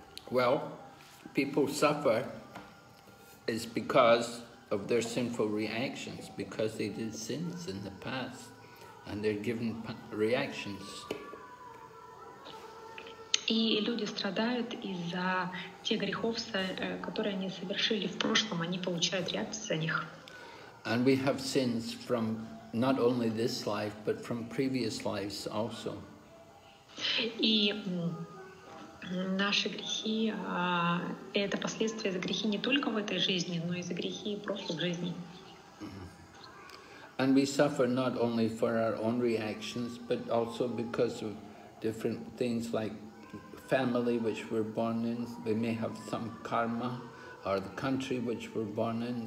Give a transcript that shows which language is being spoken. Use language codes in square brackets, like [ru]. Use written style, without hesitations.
[en] Well, people suffer is because of their sinful reactions, because they did sins in the past, and they're given reactions. [ru] И люди страдают из-за тех грехов, которые они совершили в прошлом, они получают реакции за них. [en] And we have sins from not only this life, but from previous lives also. [ru] И наши грехи это последствия за грехи не только в этой жизни, но и за грехи прошлых жизней. [en] And we suffer not only for our own reactions, but also because of different things like family which we're born in. We may have some karma, or the country which we're born in.